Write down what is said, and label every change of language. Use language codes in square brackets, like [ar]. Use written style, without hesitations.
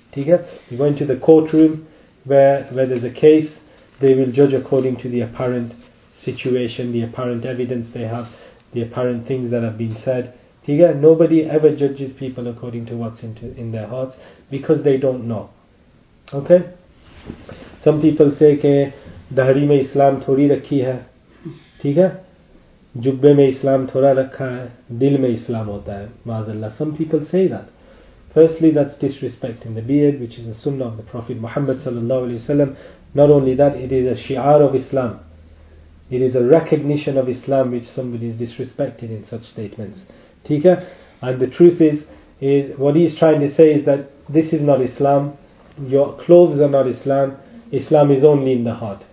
[en] You go into the courtroom where there's a case, they will judge according to the apparent situation, the apparent evidence they have, the apparent things that have been said. Nobody ever judges people according to what's in their hearts because they don't know. Okay? Some people say [ur] کے داڑھی میں اسلام تھوڑی رکھی ہے۔ جبے میں اسلام تھوڑا رکھا ہے، دل میں اسلام ہوتا ہے۔ معاذاللہ۔ [en] Some people say that. Firstly, that's disrespecting the beard, which is the sunnah of the Prophet Muhammad sallallahu alaihi wasallam. Not only that, it is a shi'ar of Islam. It is a recognition of Islam which somebody is disrespecting in such statements. And the truth is what he's trying to say is that this is not Islam, your clothes are not Islam, Islam is only in the heart.